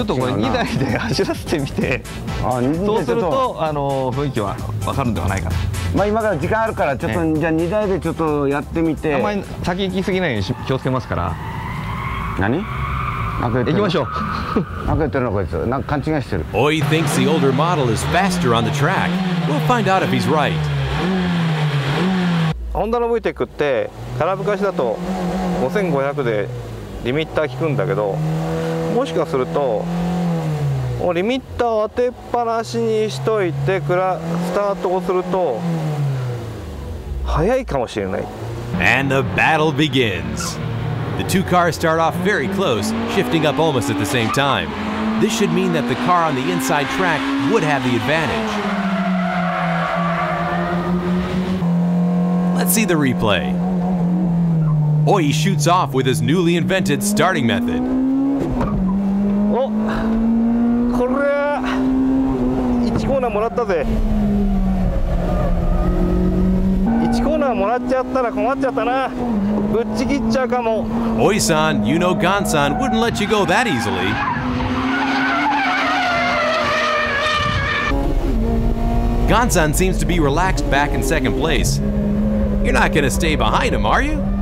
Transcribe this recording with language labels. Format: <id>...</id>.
<ja>ちょっとこれ2台で走らせてみて、あ、そうすると雰囲気は分かるんではないかな。まあ、今から時間あるからちょっと、ね、じゃあ2台でちょっとやってみて、あんまり先行きすぎないように気をつけますから。何行きましょう。何か言ってるのこいつ。何か勘違いしてる。</ja> <en>Oi thinks the older model is faster on the track. We'll find out if he's right.</en> <ja>ホンダの VTEC って空吹かしだと5500でリミッター効くんだけど、もしかするとリミッターを当てっぱなしにしといてスタートをすると早いかもしれない。</ja> <en>And the battle begins. The two cars start off very close, shifting up almost at the same time. This should mean that the car on the inside track would have the advantage. Let's see the replay. Oi shoots off with his newly invented starting method.</en> <ja>Oh, これは1コーナーもらったぜ。 1コーナーもらっちゃったら困っちゃったな。ぶっちぎっちゃうかも。</ja> <en>Oi-san, you know Gan-san wouldn't let you go that easily. Gan-san seems to be relaxed back in second place. You're not going to stay behind him, are you?</en>